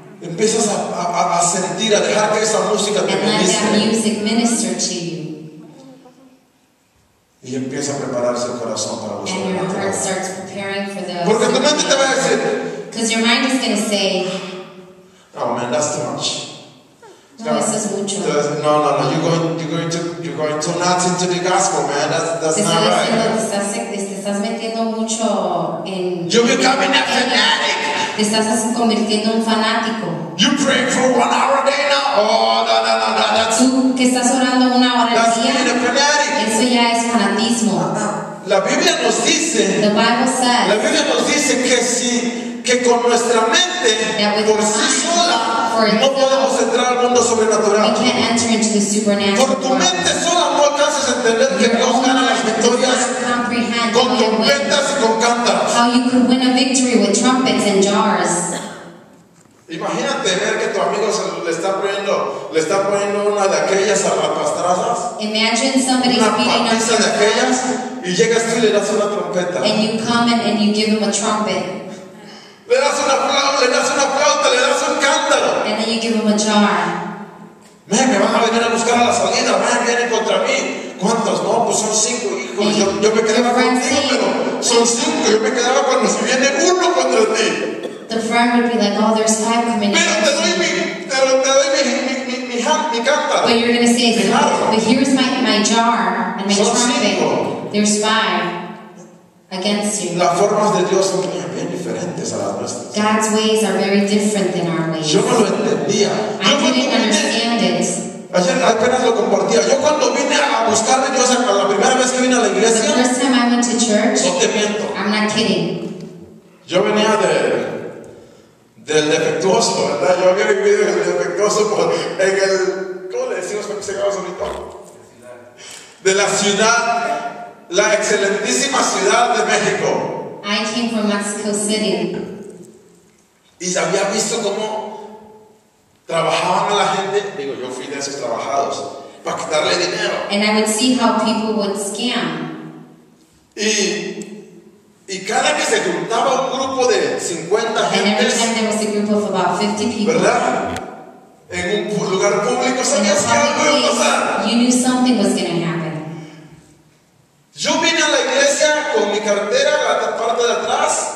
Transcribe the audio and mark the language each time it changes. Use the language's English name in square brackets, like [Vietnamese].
[Spanish] Empiezas a sentir, a dejar que esa música te ministre. [English] And let that music minister to you. [Spanish] Y empieza a prepararse el corazón para los [English] and your heart materiales. Starts preparing for those. [Spanish] Porque tu mente te va a decir, [English] because your mind is going to say, oh man, that's too much. [Spanish] No, no, eso es mucho. No. [English] You're going to nuts into the gospel, man. That's not right. [Spanish] Te estás metiendo mucho en. [English] You're becoming a fanatic. [Spanish] Te estás así convirtiendo en fanático. [English] You pray for 1 hour a day now. Oh, no. That's. [Spanish] Tú que estás orando una hora al día. [English] That's being a fanatic. [Spanish] Ya es fanatismo. La Biblia nos dice. [English] The Bible says, [Spanish] la Biblia nos dice que si que con nuestra mente por sí sola no podemos entrar al mundo sobrenatural. [English] We can't enter into the supernatural. [Spanish] Con tu mente sola no alcanzas a entender que Dios gana las victorias con trompetas y con cántaros. [English] How you could win a victory with trumpets and jars. [Spanish] Imagínate ver que tu amigo le está poniendo una de aquellas zapapastrazas. [English] Imagine somebody beating up [Spanish] de aquellas y llegas tú y le das una trompeta. [English] And you come and you give him a trumpet. [Spanish] Le das una flauta, le das un cántaro. [English] And then you give him a jar. [Spanish] Man, me van a venir a buscar a la salida. Man, vienen contra mí. ¿Cuántos? No, pues son 5 hijos. Yo me quedaba contigo, pero son 5. Yo me quedaba cuando si viene uno contra ti. [English] The friend would be like, oh, there's 5 coming. But you're going to say, but here's my jar and my trumpet. There's 5 against you. [Spanish] Las formas de Dios son bien diferentes a las nuestras. [English] God's ways are very different than our ways. [Spanish] Yo no lo entendía. [English] I didn't understand it. [Spanish] Ayer apenas lo compartía. Yo cuando vine a buscar a Dios, la primera vez que vine a la iglesia, [English] the first time I went to church, [Spanish] no te miento, [English] I'm not kidding. [Spanish] Yo venía del defectuoso, ¿verdad? Yo había vivido en el defectuoso por, en el, ¿cómo le decimos cuando llegamos ahorita? De la ciudad, la excelentísima ciudad de México. [English] I came from Mexico City. [Spanish] Y había visto cómo trabajaban a la gente, digo, yo fui de esos trabajados, para quitarle dinero. [English] And I would see how people would scam. [Spanish] Y cada que se juntaba un grupo de 50 gente, [English] and every time there was a group of about 50 people, [Spanish] ¿verdad? En un lugar público, sabías que algo iba a pasar. [English] You knew something was going to happen. [Spanish] Yo vine a la iglesia con mi cartera, la parte de atrás.